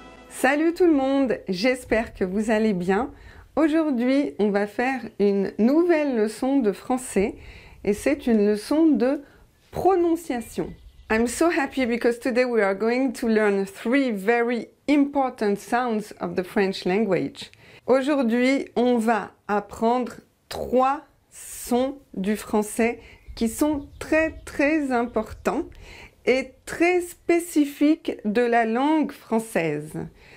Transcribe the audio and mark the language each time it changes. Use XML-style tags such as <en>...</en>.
<fr>Salut tout le monde, j'espère que vous allez bien. Aujourd'hui, on va faire une nouvelle leçon de français et c'est une leçon de prononciation.</fr> <en>I'm so happy because today we are going to learn three very important sounds of the French language.</en> <fr>Aujourd'hui, on va apprendre trois sons du français qui sont très très importants et très spécifiques de la langue française.</fr>